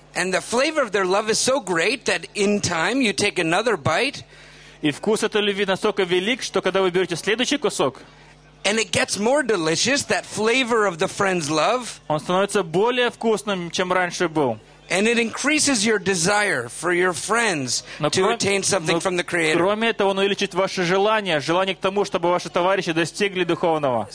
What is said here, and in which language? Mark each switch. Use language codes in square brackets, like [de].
[en] And the flavor of their love is so great that in time you take another bite. [ru] И вкус этой любви настолько велик, что когда вы берете следующий кусок. [en] And it gets more delicious, that flavor of the friend's love. [ru] Он становится более вкусным, чем раньше был. [en] And it increases your desire for your friends to attain something from the Creator. [ru] Кроме этого, он увеличит ваше желание к тому, чтобы ваши товарищи достигли духовного.